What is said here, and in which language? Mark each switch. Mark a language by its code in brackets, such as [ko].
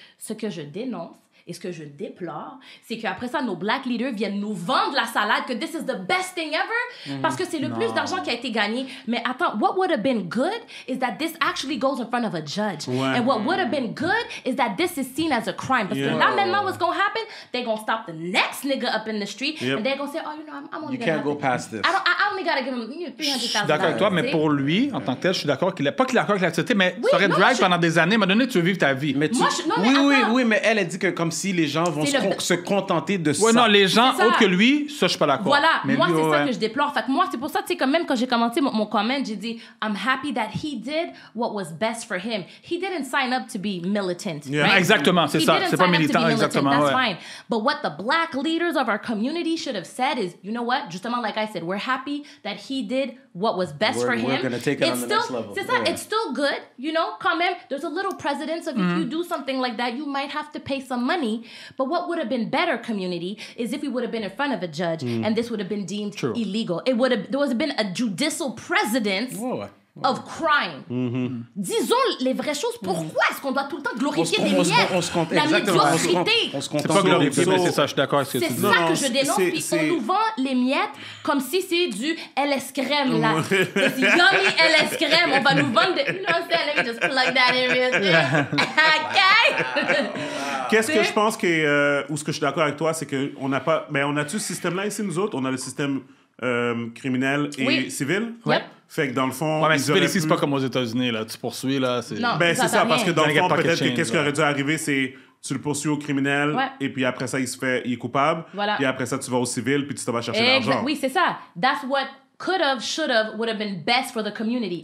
[fr] Ce que je dénonce et ce que je déplore, c'est qu'après ça, nos Black leaders viennent nous vendre la salade que this is the best thing ever parce que c'est le plus d'argent qui a été gagné. [en] Mais attends, what would have been good is that this actually goes in front of a judge. [fr] Ouais. [en] And what would have been good is that this is seen as a crime. Parce que là, maintenant, what's going to happen? They they're gonna stop the next nigga up in the street, yep. and they're gonna say, oh, you know, I'm only you can't go past this. I only gotta give him $300,000. [fr] Je suis d'accord avec toi, mais pour lui, en tant que tel, je suis d'accord qu'il est pas qu'il est d'accord avec la société, mais ça aurait drag pendant des années. Mais donné, tu veux vivre ta vie. Mais tu... Moi, je... non, oui, mais oui, oui, mais elle a dit que comme si les gens vont se contenter de ça. Ouais, non, les gens autres que lui, ça, je suis pas d'accord. Voilà, mais moi, c'est ça que je déplore. Fait que moi, c'est pour ça, tu sais, quand même, quand j'ai commencé mon comment, j'ai dit, I'm happy that he did what was best for him. [en] He didn't sign up to be militant. [fr] Exactement, c'est ça. C'est pas militant, exactement. [en] That's fine. But what the black leaders of our community should have said is, you know what? Justement, like I said, we're happy that he did what was best for him. We're gonna take it on the next level. C'est ça, it's still good, you know? Quand même, there's a little precedence of if you do something like that, you might have to pay some money. But what would have been better, community, is if we would have been in front of a judge and this would have been deemed illegal. It would have, there would have been a judicial precedence. [fr] Of crime. Disons les vraies choses. Pourquoi est-ce qu'on doit tout le temps glorifier les miettes? C'est pas glorifié, mais c'est ça, je suis d'accord avec ce que tu dis. C'est ça que je dénonce, puis on nous vend les miettes comme si c'est du LS crème, là. C'est yummy LS crème, on va nous vendre des... [en] You know what I'm saying? Let me just plug that in. OK? [fr] Qu'est-ce que je pense que... ou ce que je suis d'accord avec toi, c'est qu'on n'a pas... Mais on a-tu ce système-là ici, nous autres? On a le système... criminel et civil. Fait que dans le fond, ouais, mais civil ici, c'est pas comme aux États-Unis là, tu poursuis là, c'est non, ben c'est ça, rien. Parce que dans le fond, peut-être que qu'est-ce qui aurait dû arriver, c'est tu le poursuis au criminel et puis après ça il est coupable. Voilà. Puis après ça tu vas au civil puis tu te vas chercher l'argent. Oui, c'est ça. [en] That's what could have, should have, would have been best for the community.